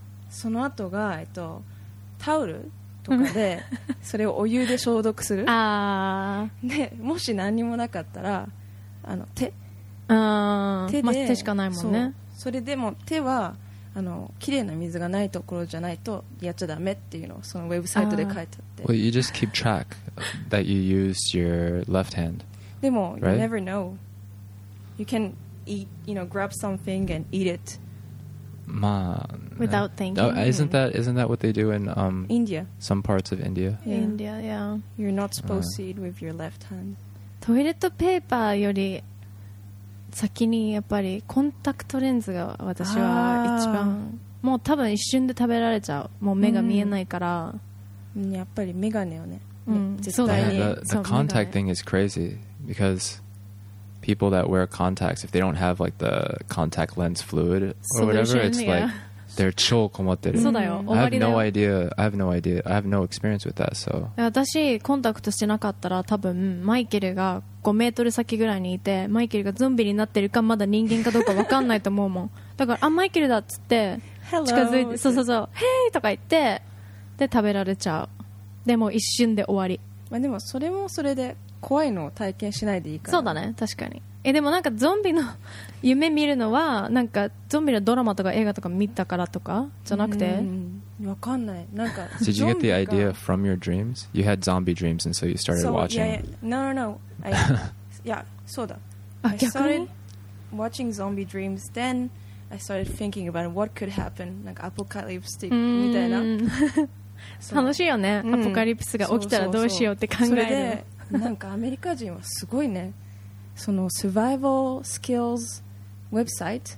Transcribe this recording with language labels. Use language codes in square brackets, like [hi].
[ja] その後がタオルとかでそれをお湯で消毒する。あで、もし何もなかったらあの手、手で、まあ、手しかないもんね。それでも手はあの綺麗な水がないところじゃないとやっちゃダメっていうのをそのウェブサイトで書いてあって。 [en] Well, you just keep track that you use your left hand。 [ja] でも、 [en] right? you never know。 You can eat, you know, grab something and eat it、 [ja] まあ、 [en] without thinking、 oh, isn't that what they do in India, some parts of India、 yeah. India, yeah, you're not supposed、right. to eat with your left hand。 [ja] トイレットペーパーより先にやっぱりコンタクトレンズが私は一番、もう多分一瞬で食べられちゃう、もう目が見えないから、うん、やっぱりメガネをね、うん、絶対に。 [en] yeah, the contact thing is crazy because people that wear contacts, if they don't have like the contact lens fluid or whatever, it's like they're [ja] 超困ってる。そうだよ、終わりだよ。 [en] I have no idea, I have no experience with that、so. [ja] 私コンタクトしてなかったら多分マイケルが5メートル先ぐらいにいて、マイケルがゾンビになってるかまだ人間かどうか分かんないと思うもんだから、あマイケルだっつって近づいて、そうそうそう、ヘイとか言ってで食べられちゃう。でも一瞬で終わり、まあ、でもそれもそれで怖いのを体験しないでいいから。そうだね、確かに。でもなんかゾンビの夢見るのはなんかゾンビのドラマとか映画とか見たからとかじゃなくて、わかんない、なんか。 [en] Did you get the idea from your dreams? You had zombie dreams and so you started watching. [ja] No, そうだ。あ、逆に？ [en] I started watching zombie dreams, then I started thinking about what could happen, like apocalyptic [ja] みたいな。楽しいよね、アポカリプスが起きたらどうしようって考える。それでなんかアメリカ人はすごいね、そのサバイバルスキルズウェブサイト、